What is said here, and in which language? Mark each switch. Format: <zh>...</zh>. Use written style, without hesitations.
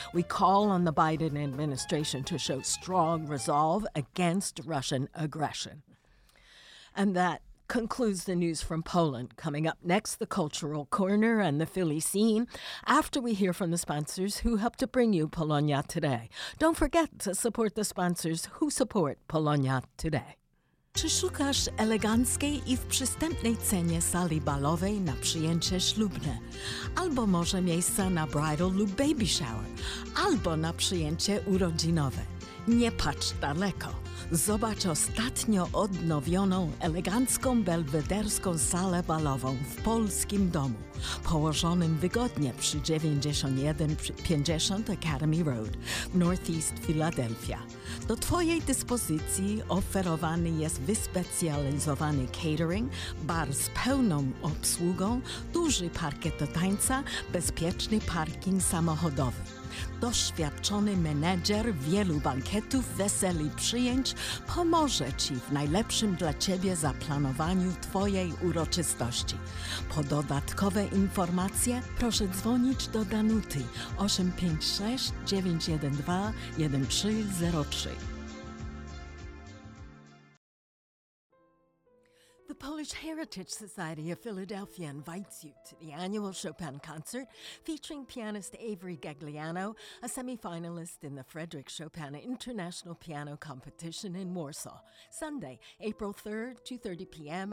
<en>We call on the Biden administration to show strong resolve against Russian aggression. And that concludes the news from Poland. Coming up next, the Cultural Corner and the Philly Scene, after we hear from the sponsors who help to bring you Polonia Today. Don't forget to support the sponsors who support Polonia Today.</en> <pl>Czy szukasz eleganckiej i w przystępnej cenie sali balowej na przyjęcie ślubne? Albo może miejsca na bridal lub baby shower? Albo na przyjęcie urodzinowe? Nie patrz daleko. Zobacz ostatnio odnowioną elegancką belwederską salę balową w polskim domu. położonym wygodnie przy 9150 Academy Road, Northeast Philadelphia. Do Twojej dyspozycji oferowany jest wyspecjalizowany catering, bar z pełną obsługą, duży parkiet do tańca, bezpieczny parking samochodowy. Doświadczony menedżer wielu bankietów, weseli, przyjęć pomoże Ci w najlepszym dla Ciebie zaplanowaniu Twojej uroczystości. Po dodatkowe informacje proszę dzwonić do Danuty 856-912-1303.</pl> <en>The Polish Heritage Society of Philadelphia invites you to the annual Chopin Concert featuring pianist Avery Gagliano, a semi-finalist in the Frederick Chopin International Piano Competition in Warsaw, Sunday, April 3rd, 2:30 p.m.</en>